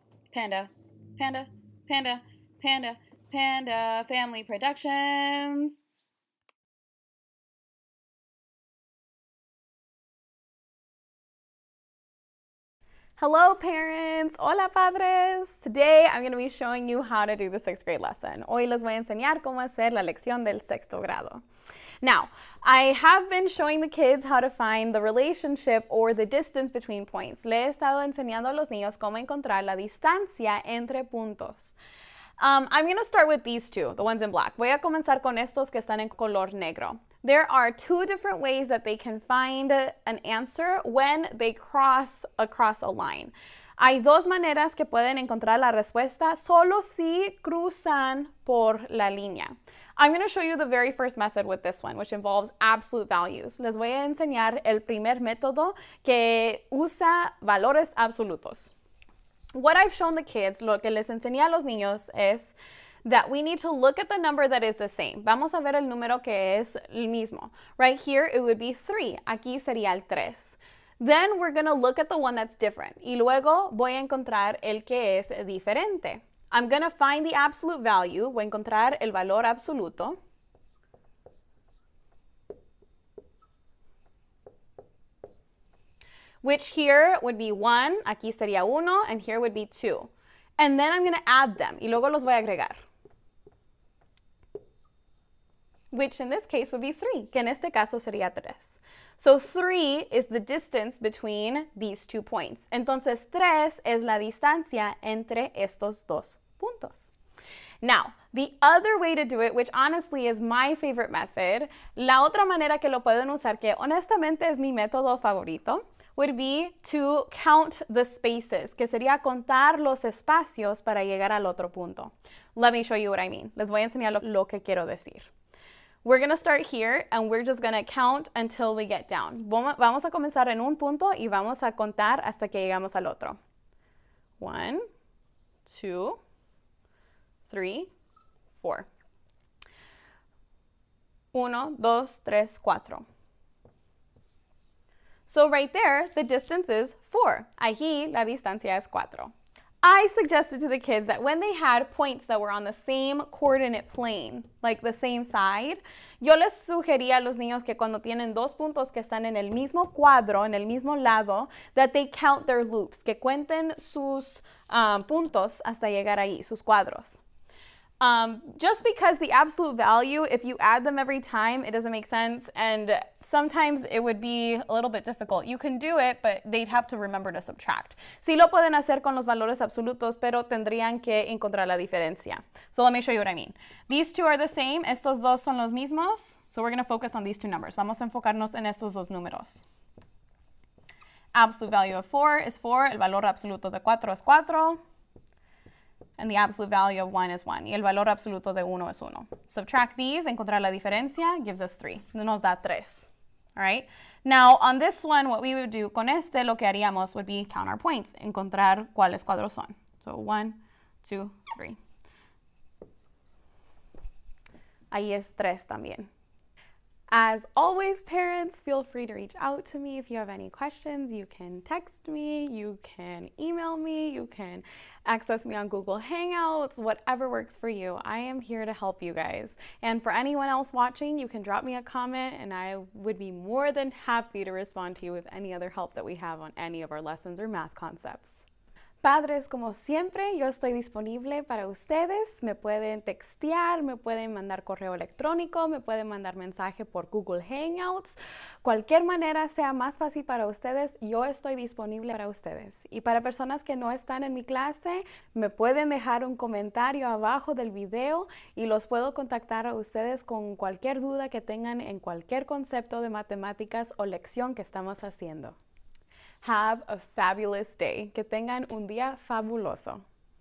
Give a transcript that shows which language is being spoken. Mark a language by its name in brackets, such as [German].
[English] Panda, panda, panda, panda, panda, family productions. Hello, parents. [Spanish] Hola, padres. [English] Today, I'm going to be showing you how to do the sixth grade lesson. [Spanish] Hoy les voy a enseñar cómo hacer la lección del sexto grado. [English] Now, I have been showing the kids how to find the relationship or the distance between points. [Spanish] Le he estado enseñando a los niños cómo encontrar la distancia entre puntos. [English] I'm going to start with these two, the ones in black. [Spanish] Voy a comenzar con estos que están en color negro. [English] There are two different ways that they can find an answer when they cross across a line. [Spanish] Hay dos maneras que pueden encontrar la respuesta solo si cruzan por la línea. [English] I'm going to show you the very first method with this one, which involves absolute values. [Spanish] Les voy a enseñar el primer método que usa valores absolutos. [English] What I've shown the kids, [Spanish] lo que les enseñé a los niños es [English] that we need to look at the number that is the same. [Spanish] Vamos a ver el número que es el mismo. [English] Right here, it would be 3. [Spanish] Aquí sería el 3. [English] Then we're going to look at the one that's different. [Spanish] Y luego voy a encontrar el que es diferente. [English] I'm going to find the absolute value. [Spanish] Voy a encontrar el valor absoluto. [English] Which here would be 1. [Spanish] Aquí sería 1. [English] And here would be 2. And then I'm going to add them. [Spanish] Y luego los voy a agregar. [English] Which in this case would be 3, [Spanish] que en este caso sería 3. [English] So 3 is the distance between these two points. [Spanish] Entonces 3 es la distancia entre estos dos puntos. [English] Now, the other way to do it, which honestly is my favorite method, [Spanish] la otra manera que lo pueden usar, que honestamente es mi método favorito, [English] would be to count the spaces, [Spanish] que sería contar los espacios para llegar al otro punto. [English] Let me show you what I mean. [Spanish] Les voy a enseñar lo que quiero decir. [English] We're going to start here and we're just going to count until we get down. [Spanish] Vamos a comenzar en un punto y vamos a contar hasta que llegamos al otro. [English] 1, 2, 3, 4. [Spanish] 1, 2, 3, 4. [English] So right there, the distance is 4. [Spanish] Allí, la distancia es 4. [English] I suggested to the kids that when they had points that were on the same coordinate plane, like the same side, [Spanish] yo les sugería a los niños que cuando tienen dos puntos que están en el mismo cuadro, en el mismo lado, [English] that they count their loops, [Spanish] que cuenten sus puntos hasta llegar ahí, sus cuadros. [English] Just because the absolute value, if you add them every time, it doesn't make sense, and sometimes it would be a little bit difficult. You can do it, but they'd have to remember to subtract. [Spanish] Sí lo pueden hacer con los valores absolutos, pero tendrían que encontrar la diferencia. [English] So let me show you what I mean. These two are the same. [Spanish] Estos dos son los mismos. [English] So we're going to focus on these two numbers. [Spanish] Vamos a enfocarnos en estos dos números. [English] Absolute value of 4 is 4. [Spanish] El valor absoluto de 4 es 4. [English] And the absolute value of 1 is 1. [Spanish] Y el valor absoluto de 1 es 1. [English] Subtract these, [Spanish] encontrar la diferencia, [English] gives us 3. [Spanish] Nos da 3. [English] All right? Now, on this one, what we would do [Spanish] con este, lo que haríamos [English] would be count our points. [Spanish] Encontrar cuáles cuadros son. [English] So, 1, 2, 3. [Spanish] Ahí es 3 también. [English] As always, parents, feel free to reach out to me if you have any questions. You can text me, you can email me, you can access me on Google Hangouts, whatever works for you. I am here to help you guys. And for anyone else watching, you can drop me a comment and I would be more than happy to respond to you with any other help that we have on any of our lessons or math concepts. [Spanish] Padres, como siempre, yo estoy disponible para ustedes. Me pueden textear, me pueden mandar correo electrónico, me pueden mandar mensaje por Google Hangouts. Cualquier manera sea más fácil para ustedes, yo estoy disponible para ustedes. Y para personas que no están en mi clase, me pueden dejar un comentario abajo del video y los puedo contactar a ustedes con cualquier duda que tengan en cualquier concepto de matemáticas o lección que estamos haciendo. [English] Have a fabulous day. [Spanish] Que tengan un día fabuloso.